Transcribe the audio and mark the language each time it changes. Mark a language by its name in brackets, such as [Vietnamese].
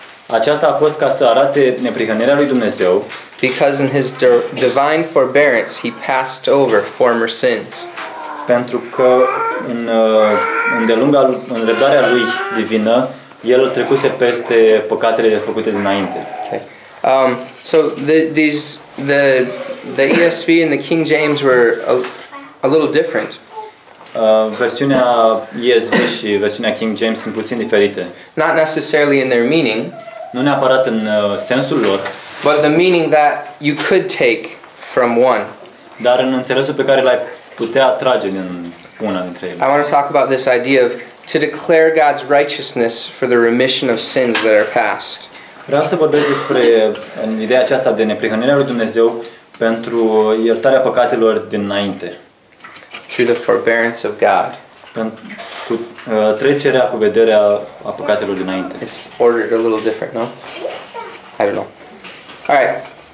[Romanian] Aceasta a fost ca să arate neprihănirea lui Dumnezeu. [English] Because in His divine forbearance, He passed over former sins. [Romanian] Pentru că în îndelunga, în răbdarea lui divină, el trecuse peste păcatele făcute dinainte. [English] Okay. So the ESV and the King James were a little different. [Romanian] Versiunea ESV și versiunea King James sunt puțin diferite. [English] Not necessarily in their meaning. [Romanian] Nu neapărat în sensul lor. [English] But the meaning that you could take from one. [Romanian] Dar în înțelesul pe care l-ai putea trage din una dintre ele. [English] I want to talk about this idea of to declare God's righteousness for the remission of sins that are past. [Romanian] Vreau să vorbesc despre ideea aceasta de neprihănirea lui Dumnezeu pentru iertarea păcatelor dinainte. [English] Through the forbearance of God. [Romanian] Cu trecerea cu vederea a păcatelor dinainte. [English] It's ordered a little different, no? I don't know. All right.